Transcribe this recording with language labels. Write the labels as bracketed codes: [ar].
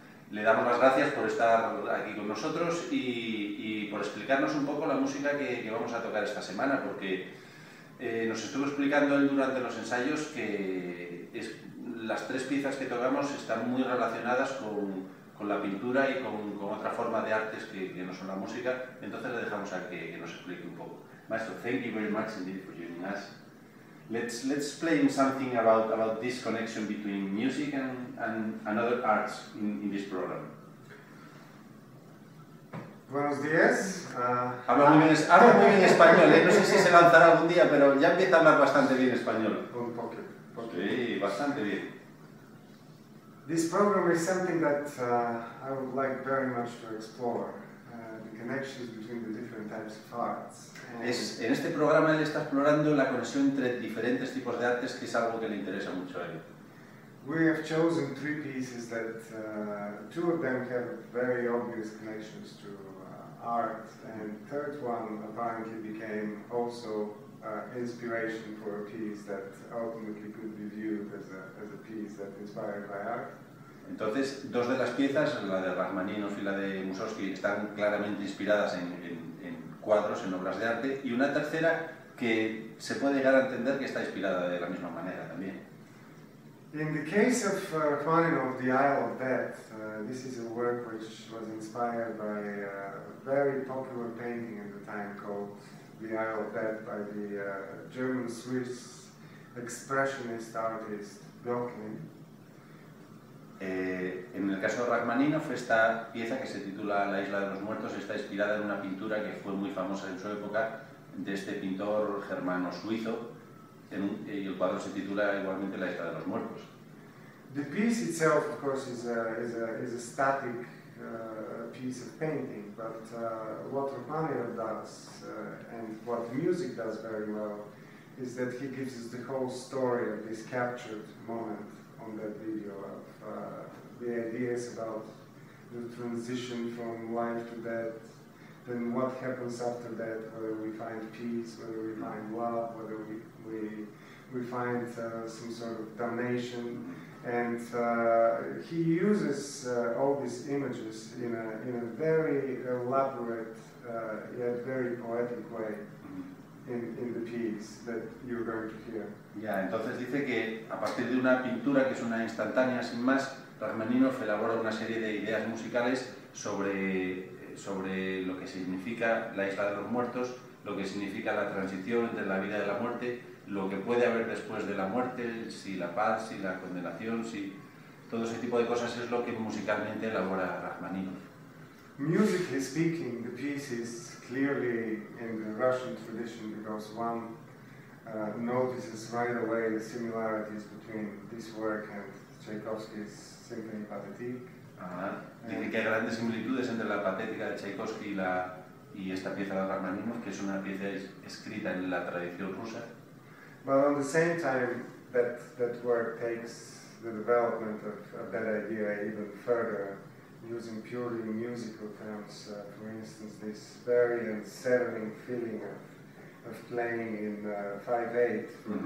[es] Le damos las gracias por estar aquí con nosotros y por explicarnos un poco la música que vamos a tocar esta semana, porque nos estuvo explicando él durante los ensayos que las tres piezas que tocamos están muy relacionadas con la pintura y con otra forma de artes que no son la música. Entonces le dejamos a que nos explique un poco. [en] Maestro, thank you very much indeed for joining us. Let's explain something about this connection between music and other arts in this program. [es] Buenos días. Hablo muy bien español, ¿eh? No sé si se lanzará algún día, pero ya empieza a hablar bastante bien español. Un poco. Sí, bastante bien. [en] This program is something that I would like very much to explore. Connections between the different types of arts. [es] En este programa él está explorando la conexión entre diferentes tipos de artes, que es algo que le interesa mucho a él. [en] We have chosen three pieces that two of them have very obvious connections to art, and the third one apparently became also inspiration for a piece that ultimately could be viewed as a piece that inspired by art. [es] Entonces, dos de las piezas, la de Rachmaninoff y la de Mussorgsky, están claramente inspiradas en cuadros, en obras de arte, y una tercera que se puede llegar a entender que está inspirada de la misma manera también. [en] In the case of Rachmaninoff, The Isle of Death, this is a work which was inspired by a very popular painting at the time called The Isle of Death by the German-Swiss expressionist artist Gauguin. [es] En el caso de Rachmaninoff, esta pieza que se titula La isla de los muertos está inspirada en una pintura que fue muy famosa en su época de este pintor germano-suizo, y el cuadro se titula igualmente La isla de los muertos. [en] The piece itself, of course, is a static piece of painting, but what Rachmaninoff does and what the music does very well is that he gives us the whole story of this captured moment on that video of the ideas about the transition from life to death, then what happens after that, whether we find peace, whether we find love, whether we find some sort of damnation. And he uses all these images in a very elaborate yet very poetic way in the piece that you're going to hear. [es] Ya, entonces dice que a partir de una pintura que es una instantánea sin más, Rachmaninoff elabora una serie de ideas musicales sobre lo que significa la isla de los muertos, lo que significa la transición entre la vida y la muerte, lo que puede haber después de la muerte, si la paz, si la condenación, si todo ese tipo de cosas es lo que musicalmente elabora Rachmaninoff. [en] Musically speaking, the piece is clearly in the Russian tradition because one notices right away the similarities between this work and Tchaikovsky's Symphony Pathétique. [es] Dice que hay grandes similitudes entre la patética de Tchaikovsky y esta pieza de Rachmaninoff, que es una pieza escrita en la tradición rusa. [en] But on the same time, that work takes the development of that idea even further, using purely musical terms. For instance, this very unsettling feeling of playing in 5-8 from mm-hmm.